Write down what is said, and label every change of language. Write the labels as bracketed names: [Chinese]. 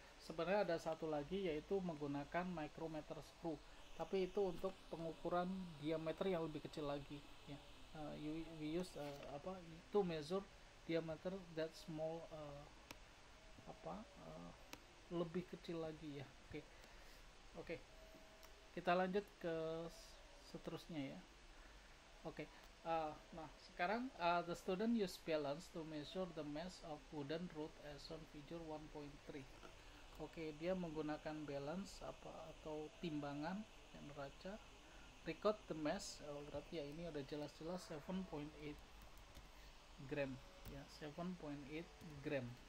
[Indonesian] Sebenarnya ada satu lagi yaitu menggunakan micrometer screw, tapi itu untuk pengukuran diameter yang lebih kecil lagi ya. [English] We use apa to measure diameter that small [Indonesian] apa lebih kecil lagi ya. [English] Oke. [Indonesian] Kita lanjut ke seterusnya ya. Oke. Nah, sekarang [English] the student use balance to measure the mass of wooden root as on figure 1.3. [Indonesian] Oke, dia menggunakan balance apa atau timbangan yang neraca. [English] Record the mass, [Indonesian] berarti ya ini ada jelas-jelas 7.8 gram ya, 7.8 gram.